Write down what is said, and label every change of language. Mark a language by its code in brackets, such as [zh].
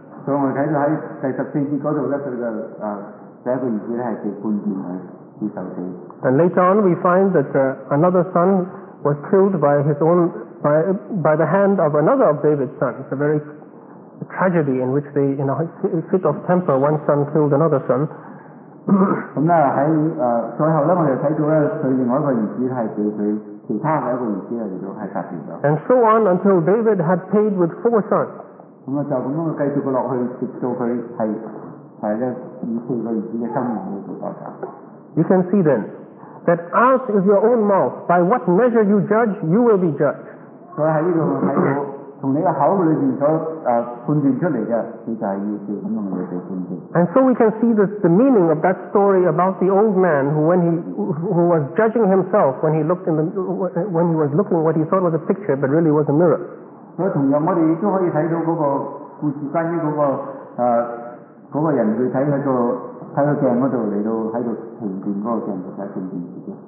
[yue] 所以我睇到喺第十四節嗰度咧，佢嘅第一個兒子咧係被判斷係要受死。 [en] And later on, we find that another son was killed by his own by the hand of another of David's sons. A tragedy in which they, in a fit of temper, one son killed another son. [yue] 咁咧喺最後咧，我哋睇到咧，佢另外一個兒子係被佢其他嘅一個兒子嚟到係殺掉咗。 [en] And so on until David had paid with four sons. [yue] 咁啊就咁樣繼續落去，直到佢係咧以四個兒子嘅生命嚟到作價。 [en] You can see then that out of your own mouth, by what measure you judge, you will be judged. [yue] 所以喺呢度睇到。從你的口裏面所判斷出來的，你就是要照咁樣嚟被判斷。 [en] And so we can see the meaning of that story about the old man who was judging himself when he was looking what he thought was a picture but really was a mirror. [yue] 所以同樣我哋都可以睇到嗰個故事關於嗰個人去睇喺個睇個鏡嗰度嚟到喺度判斷嗰個鏡就睇判斷自己。